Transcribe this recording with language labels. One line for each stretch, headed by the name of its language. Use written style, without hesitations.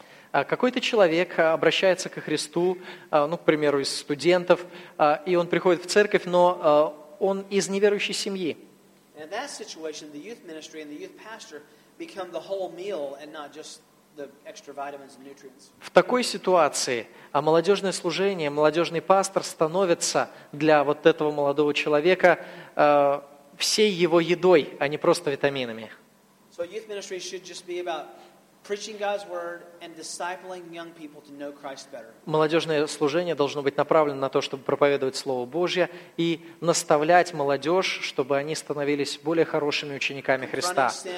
Russian: Какой-то человек обращается ко Христу, ну, к примеру, из студентов, и он приходит в церковь, но он из неверующей семьи. И в этой ситуации
English: youth ministry и youth pastor become the whole meal and not just the extra vitamins and nutrients.
Russian: В такой ситуации молодежное служение, молодежный пастор становится для вот этого молодого человека всей его едой, а не просто витаминами.
English: So youth ministry should just be about preaching God's word and discipling young people to know Christ better.
Russian: Молодежное служение должно быть направлено на то, чтобы проповедовать Слово Божье и наставлять молодежь, чтобы они становились более хорошими учениками Христа.